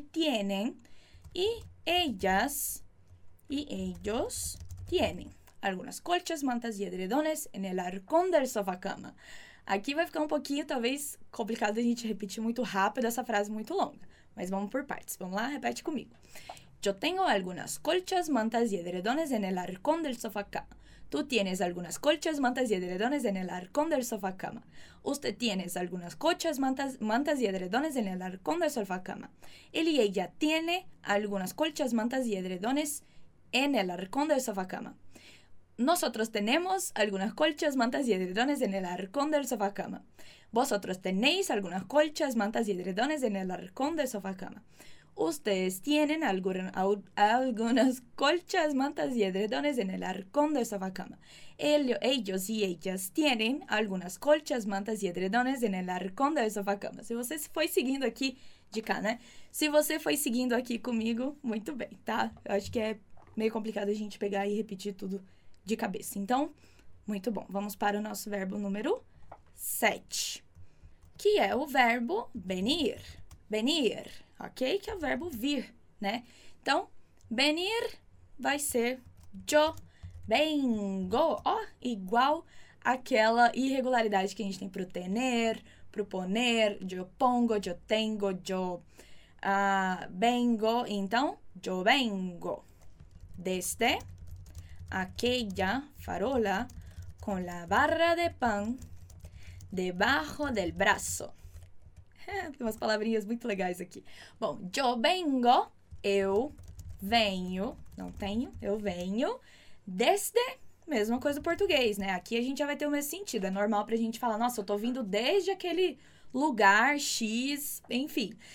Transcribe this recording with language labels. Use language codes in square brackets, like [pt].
[es] Tienen. E ellas e ellos tienen. Algumas colchas, mantas e edredones en el arcón del sofá-cama. [pt] Aqui vai ficar um pouquinho, talvez, complicado a gente repetir muito rápido essa frase muito longa. Mas vamos por partes. Vamos lá? Repete comigo. [es] Yo tengo algunas colchas, mantas y edredones en el arcón del sofá-cama. Tú tienes algunas colchas, mantas y edredones en el arcón del sofá-cama. Usted tiene algunas colchas, mantas y edredones en el arcón del sofá-cama. Él y ella tiene algunas colchas, mantas y edredones en el arcón del sofá-cama. Nosotros tenemos algunas colchas, mantas y edredones en el arcón del sofá-cama. Vosotros tenéis algunas colchas, mantas y edredones en el arcón del sofá-cama. Ustedes tienen algunas colchas, mantas y edredones en el arcón del sofá-cama. Ellos y ellas tienen algunas colchas, mantas y edredones en el arcón del sofá-cama. [pt] Si você foi seguindo aqui de cá, né? Se você foi seguindo aqui comigo, muito bem, tá? Eu acho que é meio complicado a gente pegar e repetir tudo de cabeça. Então, muito bom. Vamos para o nosso verbo número 7, que é o verbo venir. Venir, ok? Que é o verbo vir, né? Então, venir vai ser [es] yo vengo. [pt] Ó, igual aquela irregularidade que a gente tem pro tener, pro poner, [es] yo pongo, yo tengo, yo vengo. Então, yo vengo. Desde aquella farola con la barra de pan debajo del brazo. [pt] Tem umas palavrinhas muito legais aqui. Bom, [es] yo vengo, [pt] eu venho, não tenho, eu venho, desde, mesma coisa do português, né? Aqui a gente já vai ter o mesmo sentido, é normal pra gente falar, nossa, eu tô vindo desde aquele lugar, X, enfim.